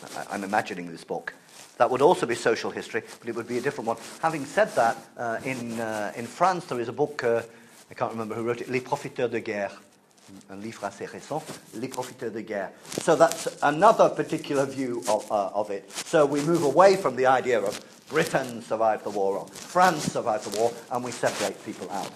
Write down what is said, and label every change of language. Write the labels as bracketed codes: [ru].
[en] I'm imagining this book. That would also be social history, but it would be a different one. Having said that, in France there is a book, I can't remember who wrote it, Les Profiteurs de Guerre, [fr] un livre assez récent, Les Profiteurs de Guerre. [en] So that's another particular view of it. So we move away from the idea of Britain survived the war or France survived the war, and we separate people out.